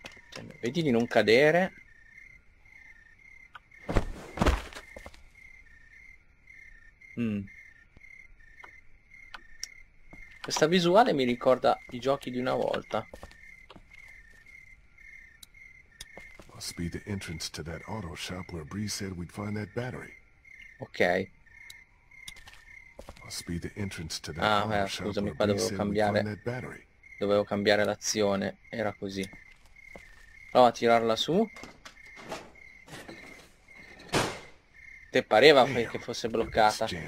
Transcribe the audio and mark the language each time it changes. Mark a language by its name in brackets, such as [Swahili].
[Italian] Cioè, vedi di non cadere. Questa visuale mi ricorda i giochi di una volta. [English] Must be the entrance to that auto shop where Bree said we'd find that battery. [Italian] Ok. Scusami, qua dovevo cambiare. Dovevo cambiare l'azione. Era così. Prova a tirarla su. Te pareva che fosse bloccata.